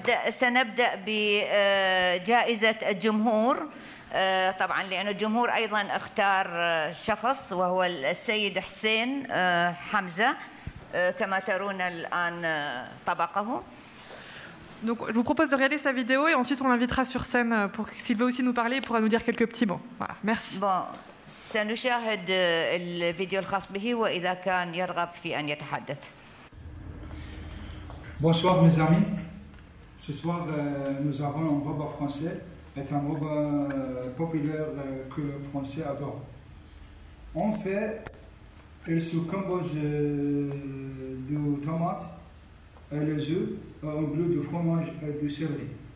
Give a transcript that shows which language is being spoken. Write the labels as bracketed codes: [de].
[ar] سنبدأ بجائزة الجمهور طبعا لأن الجمهور أيضا اختار شخص وهو السيد حسين حمزة كما ترون الآن طبقه. [fr] Donc je vous propose de regarder sa vidéo et ensuite on l'invitera sur scène pour s'il veut aussi nous parler il pourra nous dire quelques petits mots. Voilà, merci. Bon, [ar] سنشاهد الفيديو الخاص به وإذا كان يرغب في أن يتحدث. [fr] Bonsoir mes amis, ce soir nous avons un robot français, c'est un robot populaire que le français adore. En fait, il se compose de tomates et les œufs au lieu de fromage et de céleri.